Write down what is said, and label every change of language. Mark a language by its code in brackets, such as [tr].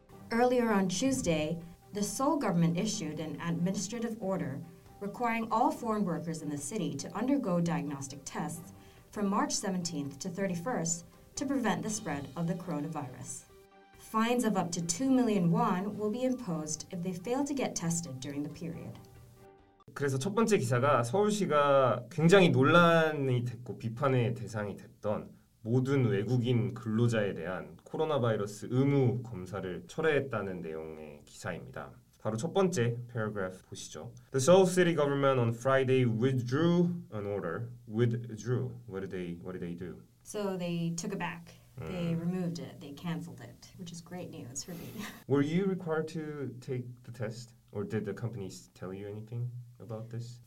[en] Earlier on Tuesday, the Seoul government issued an administrative order requiring all foreign workers in the city to undergo diagnostic tests from March 17th to 31st to prevent the spread of the coronavirus. Fines of up to 2 million won will be imposed if they fail to get tested during the period. [ko] 그래서 첫 번째 기사가 서울시가 굉장히 논란이 됐고 비판의 대상이 됐던 모든 외국인 근로자에 대한 코로나 바이러스 의무 검사를 철회했다는 내용의 기사입니다. 바로 첫 번째 paragraph 보시죠. [en] The Seoul City Government on Friday withdrew an order. Withdrew. What did they do? So they took it back. They removed it. They canceled it, which is great news for me. Were you required to take the test, or did the companies tell you anything about this?